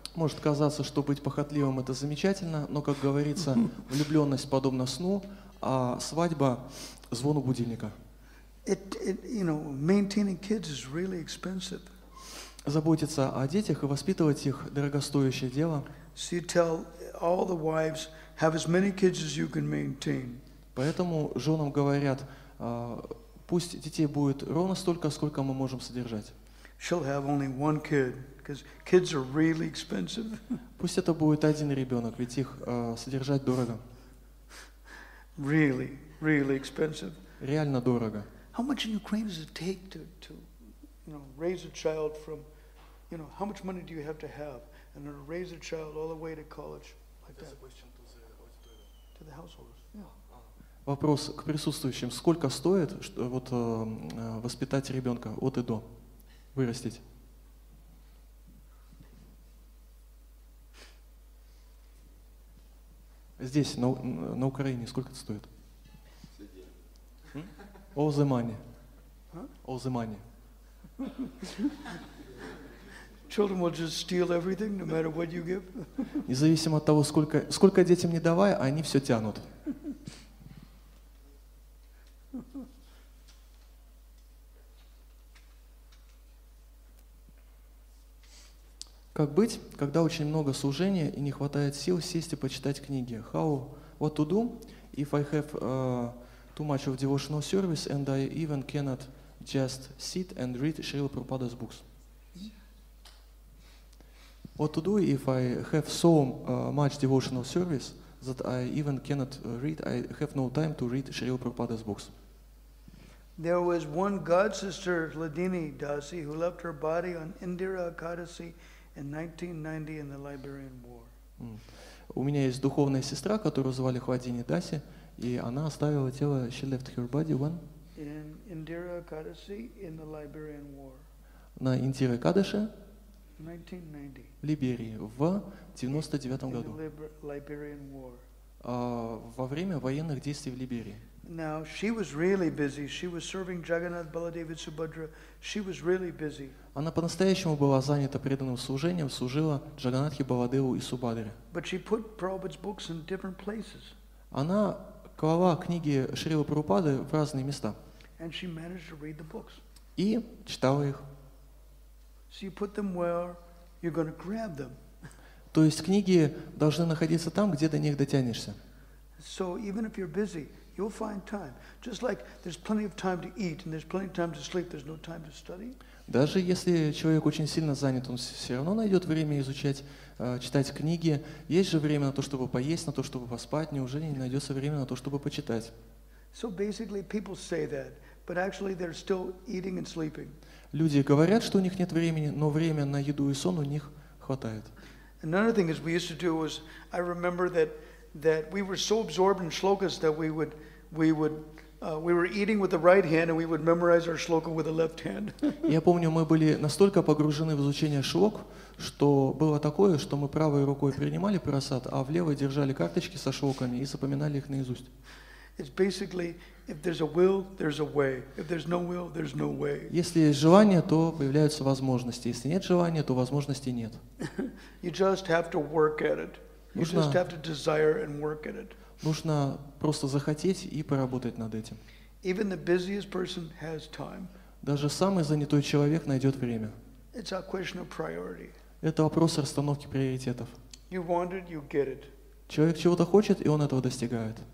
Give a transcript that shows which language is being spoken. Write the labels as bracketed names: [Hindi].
[Russian] Может казаться, что быть похотливым это замечательно, но, как говорится, влюбленность подобна сну, а свадьба звону будильника. [English] Maintaining kids is really expensive. [Russian] Заботиться о детях и воспитывать их дорогостоящее дело. [English] So you tell all the wives, have as many kids as you can maintain. [Russian] Поэтому женам говорят, пусть детей будет ровно столько, сколько мы можем содержать. [English] She'll have only one kid, because kids are really expensive. [Russian] Пусть это будет один ребенок, ведь их содержать дорого. [English] Really, really expensive. [Russian] Реально дорого. [English] How much in Ukraine does it take to raise a child from, how much money do you have, and to raise a child all the way to college like that? [Russian] Вопрос к присутствующим. Сколько стоит, что вот воспитать ребенка от и до, вырастить? Здесь, на Украине, сколько это стоит? [English] All the money. Huh? All the money. Children will just steal everything, no matter what you give. [Russian] Независимо от того, сколько детям не давай, они все тянут. Как быть, когда очень много служения и не хватает сил сесть и почитать книги? [English] How, what to do if I have too much of devotional service and I even cannot just sit and read Srila Prabhupada's books? What to do if I have so much devotional service that I even cannot read, I have no time to read Srila Prabhupada's books? There was one god sister, Ladini Dasi, who left her body on Indira Akadasi 1990 in the Liberian War. [Russian] У меня есть духовная сестра, которую звали Хвадини Даси, и она оставила тело. [English] She left her body when? In Indira Kadashi in the Liberian War. [Russian] На Индире Кадыше. [English] 1990. [Russian] В Либерии в 99 году. [English] Liberian War. [Russian] Во время военных действий в Либерии. [English] Now she was really busy. She was serving Jagannath Baladev Subhadra. She was really busy. [Russian] Она по-настоящему была занята преданным служением, служила Джаганнатхе Баладеву и Субхадре. [English] But she put Prabhupada's books in different places. [Russian] Она клала книги Шрилы Прабхупады в разные места. [English] And she managed to read the books. [Russian] И читала их. [English] So you put them where you're going to grab them. [Russian] То есть книги должны находиться там, где до них дотянешься. [English] So even if you're busy, you'll find time. Just like there's plenty of time to eat and there's plenty of time to sleep, there's no time to study. [Russian] Даже если человек очень сильно занят, он все равно найдет время изучать, читать книги. Есть же время на то, чтобы поесть, на то, чтобы поспать. Неужели не найдется время на то, чтобы почитать? [English] So basically people say that, but actually they're still eating and sleeping. [Russian] Люди говорят, что у них нет времени, но время на еду и сон у них хватает. [English] Another thing is we used to do was I remember that we were so absorbed in shlokas that we were eating with the right hand and we would memorize our shloka with the left hand. [Russian] Я помню, мы были настолько погружены в изучение шлок, что было такое, что мы правой рукой принимали прасад, а в левой держали карточки со шлоками и запоминали их наизусть. [English] It's basically if there's a will, there's a way. If there's no will, there's no way. [Russian] Если есть желание, то появляются возможности. Если нет желания, то возможностей нет. [English] You just have to work at it. You just have to desire and work at it. [Russian] Нужно просто захотеть и поработать над этим. [English] Even the busiest person has time. [Russian] Даже самый занятой человек найдет время. [English] It's a question of priority. [Russian] Это вопрос расстановки приоритетов. [English] You want it, you get it. [Russian] Человек чего-то хочет, и он этого достигает.